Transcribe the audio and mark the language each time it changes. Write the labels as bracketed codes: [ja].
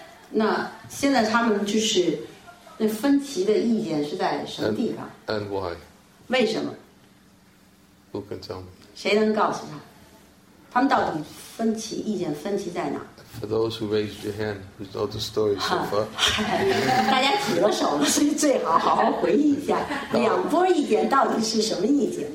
[zh] 那现在他们就是那分歧的意见是在什么地方? [en] And why? [zh] 为什么? [en] Who can tell me? [zh] 谁能告诉他? 他们到底分歧意见分歧在哪? [en] For those who raised your hand, who know the story so far. [zh] 大家举了手了,所以最好好好回忆一下,两波意见到底是什么意见?